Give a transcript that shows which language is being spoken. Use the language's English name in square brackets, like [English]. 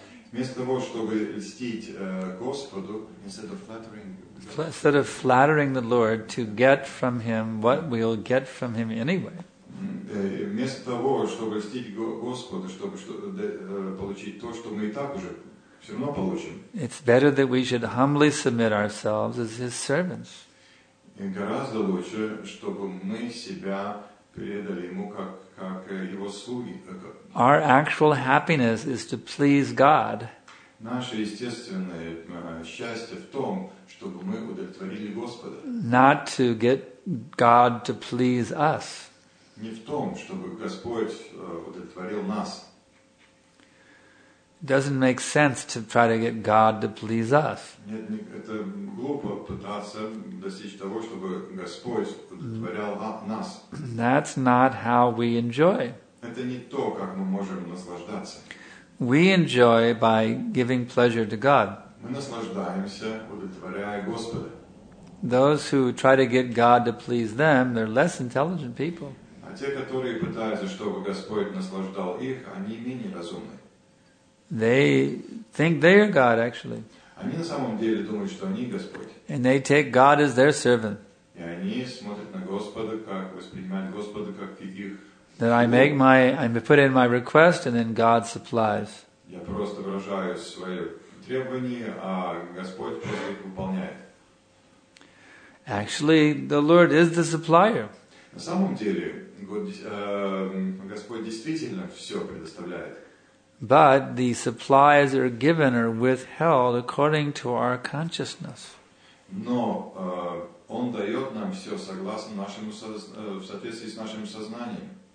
[English] Instead of flattering the Lord to get from Him what we'll get from Him anyway. [Russian] Вместо того, чтобы льстить Господу, чтобы получить то, что мы и так уже все равно получим. [English] It's better that we should humbly submit ourselves as His servants. [Russian] Гораздо лучше, чтобы мы себя предали Ему как Его слуги. [English] Our actual happiness is to please God. [Russian] Наше естественное счастье в том, чтобы мы удовлетворили Господа. [English] Not to get God to please us. [Russian] Не в том, чтобы Господь удовлетворил нас. [English] It doesn't make sense to try to get God to please us. [Russian] Нет, это глупо пытаться достичь того, чтобы Господь удовлетворял нас. [English] That's not how we enjoy. [Russian] Это не то, как мы можем наслаждаться. [English] We enjoy by giving pleasure to God. [Russian] Мы наслаждаемся, удовлетворяя Господа. [English] Those who try to get God to please them, they're less intelligent people. [Russian] А те, которые пытаются, чтобы Господь наслаждал их, они менее разумны. [English] They think they are God, actually. [Russian] Они на самом деле думают, что они Господь. [English] And they take God as their servant. [Russian] И они смотрят на Господа, как воспринимают Господа, как их. [English] That I put in my request and then God supplies. [Russian] Я просто выражаю свои требования, а Господь просто их выполняет. [English] Actually, the Lord is the supplier. [Russian] На самом деле, Господь действительно все предоставляет. [English] But the supplies are given or withheld according to our consciousness. [Russian] Но Он дает нам все согласно нашему в соответствии с нашим сознанием.